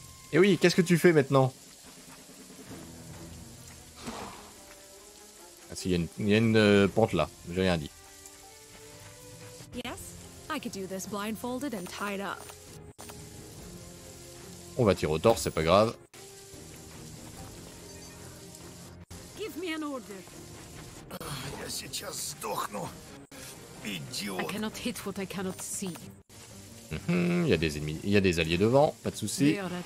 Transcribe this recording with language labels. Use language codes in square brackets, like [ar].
[fr] Et oui, qu'est-ce que tu fais maintenant? Ah si, il y a une pente là, j'ai rien dit. [en] Yes, I could do this blindfolded and tied up. [fr] On va tirer au torse, c'est pas grave. [en] Give me an order. [ru] Я сейчас сдохну. [en] Idiot. I cannot hit what I cannot see. [fr] Il y a des ennemis, il y a des alliés devant, pas de soucis.